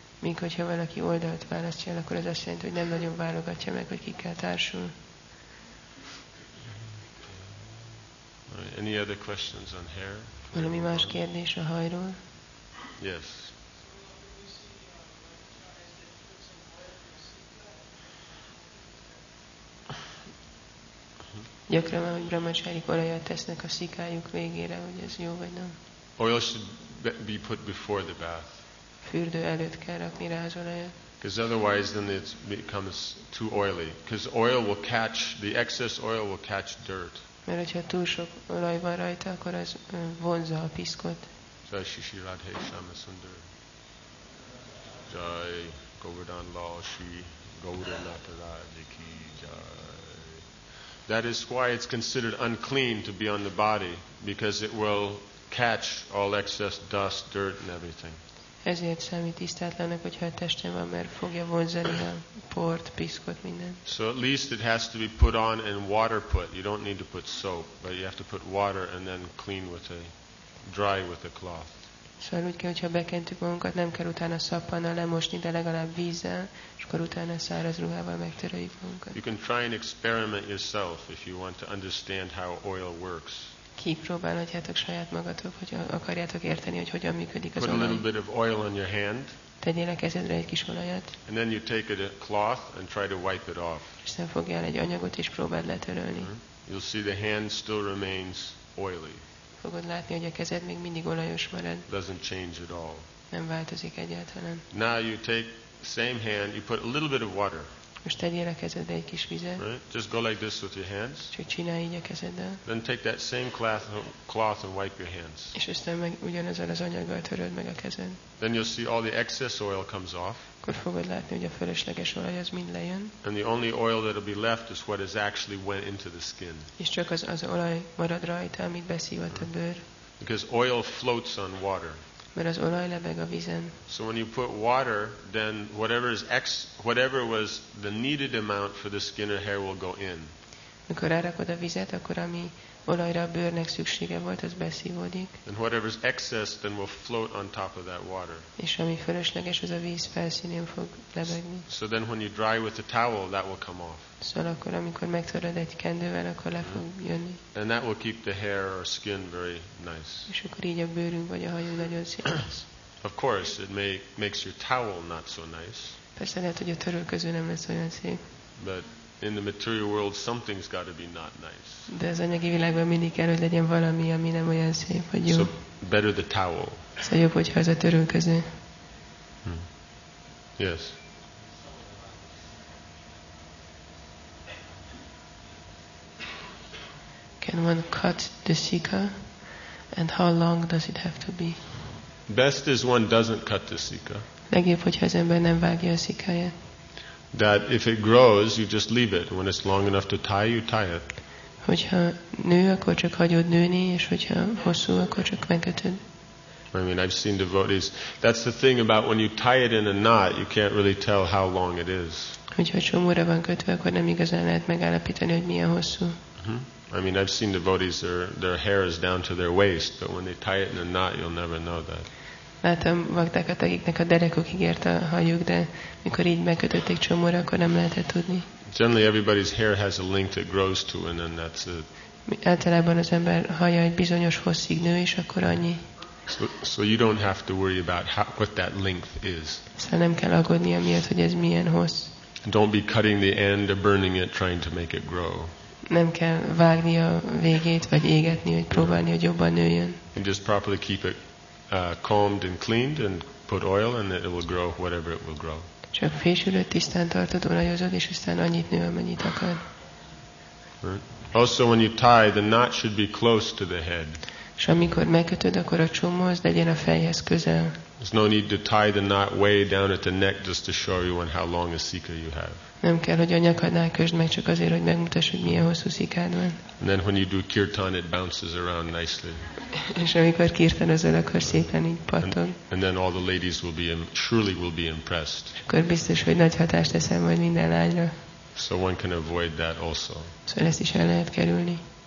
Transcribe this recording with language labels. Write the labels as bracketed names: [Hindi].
[Hungarian] Míg hogyha valaki oldalt választja el, akkor ez azt jelenti, hogy nem nagyon válogatja meg, hogy kikkel társul. [English] Any other questions on hair? [Hungarian] Valami más kérdés a hajról? [English] Yes. [Hungarian] Gyakran van, hogy brahmacsárik olajat tesznek a szikájuk végére, hogy ez jó vagy nem. [English] Oil should be put before the bath. Fürdő előtt kell rakni rá az olajat. Because otherwise then it becomes too oily. Because oil will catch, the excess oil will catch dirt. [Hungarian] Mert hogyha túl sok olaj van rajta, akkor az vonza a piszkot. [Sanskrit] Jai Shishi Radhe Shamasundar. Jai Govardhan Lal Shri Gauranataraji Ki Jai. [English] That is why it's considered unclean to be on the body because it will catch all excess dust, dirt and everything. [Hungarian] Ezért számít tisztátlannak, hogyha a testen van, mert fogja vonzani a port, piszkot, minden. [English] So at least it has to be put on and water put. You don't need to put soap, but you have to put water and then clean with a dry with a cloth. [Hungarian] Szóval úgy kell, hogyha bekentük magunkat, nem kell utána szappannal lemosni, de legalább vízzel, és akkor utána száraz ruhával megtöröljük magunkat. [English] You can try and experiment yourself if you want to understand how oil works. [Hungarian] Kipróbálhatjátok saját magatok, hogy akarjátok érteni, hogy hogyan működik az olaj. [English] Put a little bit of oil on your hand. [Hungarian] Tegyél a kezedre egy kis olajat. [English] And then you take a cloth and try to wipe it off. [Hungarian] És aztán fogjál egy anyagot és próbáld letörölni. [English] You'll see the hand still remains oily. [Hungarian] Fogod látni, hogy a kezed még mindig olajos marad. [English] Doesn't change at all. [Hungarian] Nem változik egyáltalán. [English] Now you take same hand, you put a little bit of water. [Hungarian] Most tegyél a kezedbe egy kis vizet. [English] Right? Just go like this with your hands. [Hungarian] Csak csinálj így a kezeddel. [English] Then take that same cloth and wipe your hands. [Hungarian] És aztán meg ugyanezzel az anyaggal töröld meg a kezed. [English] Then you'll see all the excess oil comes off. [Hungarian] Akkor fogod látni, hogy a fölösleges olaj az mind lejön. [English] And the only oil that'll be left is what has actually went into the skin. [Hungarian] És csak az olaj marad rajta, amit beszívott a bőr. [English] Because oil floats on water. [Hungarian] Mert az olaj lebeg a vízen. [English] So when you put water, then whatever was the needed amount for the skin or hair will go in. [Hungarian] Mikor rárakod a vizet, akkor ami olajra a bőrnek szüksége volt, az beszívódik. [English] And whatever's excess, then will float on top of that water. [Hungarian] És ami fölösleges, az a víz felszínén fog lebegni. [English] So then when you dry with a towel, that will come off. [Hungarian] Szóval akkor, amikor megtöröd egy kendővel, akkor le fog jönni. [English] And that will keep the hair or skin very nice. [Hungarian] És akkor így a bőrünk vagy a hajunk nagyon szép. [English] Of course, it makes your towel not so nice. [Hungarian] Persze lehet, hogy a törölköző nem lesz olyan szép. [English] But in the material world, something's got to be not nice. [Hungarian] De az anyagi világban mindig kell, hogy legyen valami, ami nem olyan szép, vagy jó. [English] So better the towel. [Hungarian] Szóval jobb, hogyha az a törölköző. [English] Yes. Can one cut the sikha, and how long does it have to be? Best is one doesn't cut the sikha. [Hungarian] Legjobb, hogyha az ember nem vágja a sikáját. [English] That if it grows, you just leave it. When it's long enough to tie, you tie it. [Hungarian] Hogyha nő, akkor csak hagyod nőni, és hogyha hosszú, akkor csak megkötöd. [English] I mean, I've seen devotees. That's the thing about when you tie it in a knot, you can't really tell how long it is. [Hungarian] Hogyha csomóra van kötve, akkor nem igazán lehet megállapítani, hogy milyen hosszú. [English] I mean, I've seen devotees, their hair is down to their waist, but when they tie it in a knot, you'll never know that. [Hungarian] Láttam vaktákat, akiknek a derekukig ért a hajuk, de mikor így megkötötték csomóra, akkor nem lehetett tudni. [English] Generally, everybody's hair has a length that grows to, and then that's it. [Hungarian] Általában az ember haja egy bizonyos hosszig nő, és akkor annyi. [English] So you don't have to worry about what that length is. [Hungarian] Szóval nem kell aggódni amiatt, hogy ez milyen hossz. [English] Don't be cutting the end or burning it, trying to make it grow. [Hungarian] Nem kell vágni a végét vagy égetni, hogy próbálni, hogy jobban nőjön. [English] You just properly keep it combed and cleaned and put oil and it will grow whatever it will grow. [Hungarian] Csak fésülőt tisztán tartod, olajozod, és aztán annyit nő, amennyit akar. [English] Right. Also, when you tie, the knot should be close to the head. [Hungarian] És amikor megkötöd, akkor a csomó az legyen a fejhez közel. [English] There's no need to tie the knot way down at the neck just to show you how long a sikha you have. [Hungarian] Nem kell, hogy a nyakadnál közd meg, csak azért, hogy megmutass, hogy milyen hosszú szikád van. [English] And then when you do kirtan, it bounces around nicely. [Hungarian] És amikor kirtanozol, akkor szépen így pattog. [English] And then all the ladies surely will be impressed. [Hungarian] És akkor biztos, hogy nagy hatást teszel majd minden lányra. [English] So one can avoid that also. [Hungarian] Szóval ezt is el lehet kerülni.